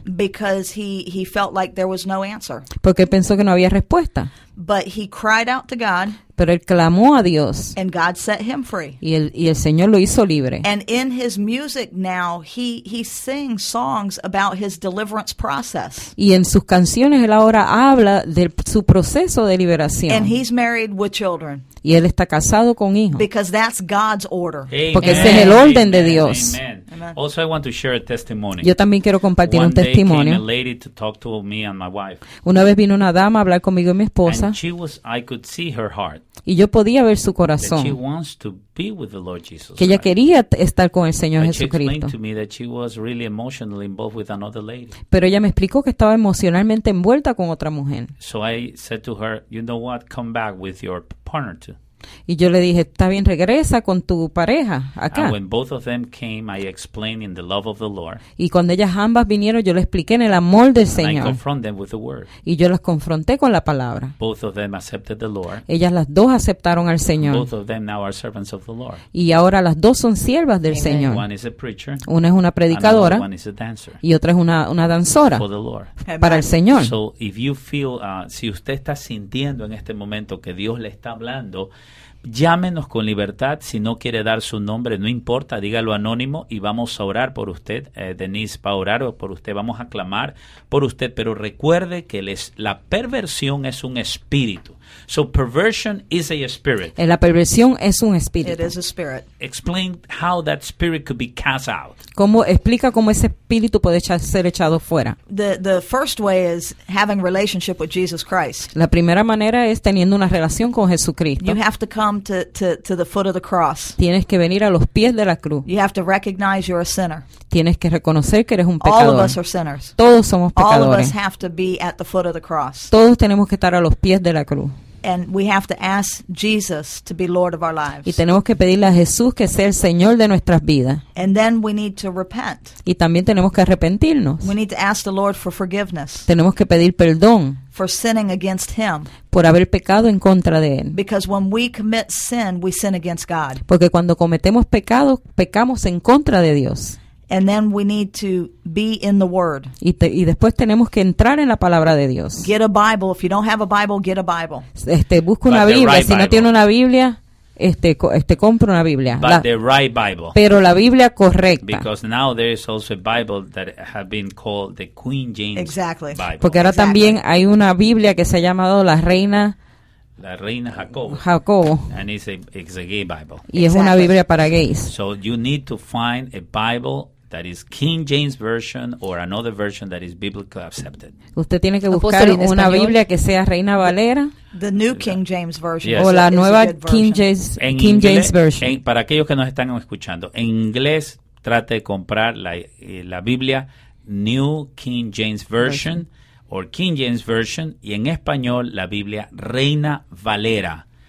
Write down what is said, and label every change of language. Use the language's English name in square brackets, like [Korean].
[English] Because he felt like there was no answer. [Spanish] Porque él pensó que no había respuesta. [English] But he cried out to God. [Spanish] Pero él clamó a Dios. [English] And God set him free. [Spanish] Y el Señor lo hizo libre. [English] And in his music now, he sings songs about his deliverance process. [Spanish] Y en sus canciones él ahora habla de su proceso de liberación. [English] And he's married with children. [Spanish] Y él está casado con hijos. [English] Because that's God's order. Amen. [Spanish] Porque ese es el orden [English] Amen. [Spanish] De Dios. [English] Amen. Also, I want to share a testimony. [Spanish] Yo también quiero compartir [English] One [Spanish] un testimonio. [English] Came a lady to talk to me and my wife. [Spanish] Una vez vino una dama a hablar conmigo y mi esposa. [English] And she was, I could see her heart. [Spanish] Y yo podía ver su corazón. [English] That she wants to be with the Lord Jesus Christ. [Spanish] Que ella quería estar con el Señor Jesucristo. [English] She explained to me that she was really emotionally involved with another lady. [Spanish] Pero ella me explicó que estaba emocionalmente envuelta con otra mujer. [English] So I said to her, you know what, come back with your partner too. [Spanish] Y yo le dije, está bien, regresa con tu pareja acá. [English] And when both of them came, I explained in the love of the Lord. [Spanish] Y cuando ellas ambas vinieron, yo les expliqué en el amor del [English] And [Spanish] Señor. [English] I confronted them with the word. [Spanish] Y yo las confronté con la palabra. [English] Both of them accepted the Lord. [Spanish] Ellas las dos aceptaron al Señor. [English] Both of them now are servants of the Lord. [Spanish] Y ahora las dos son siervas del [English] Amen. [Spanish] Señor. [English] One is a preacher. [Spanish] Una es una predicadora. [English] Another one is a dancer. [Spanish] Y otra es una danzora. [English] For the Lord. [Spanish] Para el Señor. [English] So if you feel, [Spanish] si usted está sintiendo en este momento que Dios le está hablando, llámenos con libertad. Si no quiere dar su nombre, no importa, dígalo anónimo y vamos a orar por usted. Denise va a orar por usted, vamos a clamar por usted, pero recuerde que la perversión es un espíritu. [English] So perversion is a spirit. [Spanish] La perversión es un espíritu. [English] It is a spirit. Explain how that spirit could be cast out. [Spanish] ¿Cómo explica cómo ese espíritu puede ser echado fuera? [English] The first way is having relationship with Jesus Christ. [Spanish] La primera manera es teniendo una relación con Jesucristo. [English] You have to come to the foot of the cross. [Spanish] Tienes que venir a los pies de la cruz. [English] You have to recognize you're a sinner. [Spanish] Tienes que reconocer que eres un pecador. [English] All of us are sinners. [Spanish] Todos somos pecadores. [English] All of us have to be at the foot of the cross. [Spanish] Todos tenemos que estar a los pies de la cruz. [English] And we have to ask Jesus to be Lord of our lives. [Spanish] Y tenemos que pedirle a Jesús que sea el Señor de nuestras vidas. [English] And then we need to repent. [Spanish] Y también tenemos que arrepentirnos. [English] We need to ask the Lord for forgiveness. [Spanish] Tenemos que pedir perdón. [English] For sinning against him. [Spanish] Por haber pecado en contra de él. [English] Because when we commit sin, we sin against God. [Spanish] Porque cuando cometemos pecado, pecamos en contra de Dios. [English] And then we need to be in the Word. [Spanish] Y después tenemos que entrar en la palabra de Dios. [English] Get a Bible. If you don't have a Bible, get a Bible. [Spanish] Busca una Biblia. [English] Right, [Spanish] si no tiene una Biblia, compra una Biblia. [English] But the right Bible. [Spanish] Pero la Biblia correcta. [English] Because now there is also a Bible that has been called the Queen James exactly. Bible. [Spanish] Porque ahora [English] exactly. [Spanish] también hay una Biblia que se ha llamado la Reina. La Reina Jacobo. Jacobo. [English] And it's a gay Bible. [Spanish] Y exactly. es una Biblia para gays. [English] So you need to find a Bible that is King James Version or another version that is biblically accepted. [Spanish] Usted tiene que buscar una Biblia que sea Reina Valera. [English] The New King James Version. [Spanish] Yes. O la nueva King James Version. Para aquellos que nos están escuchando, en inglés trate de comprar la Biblia New King James Version o King James Version y en español la Biblia Reina Valera.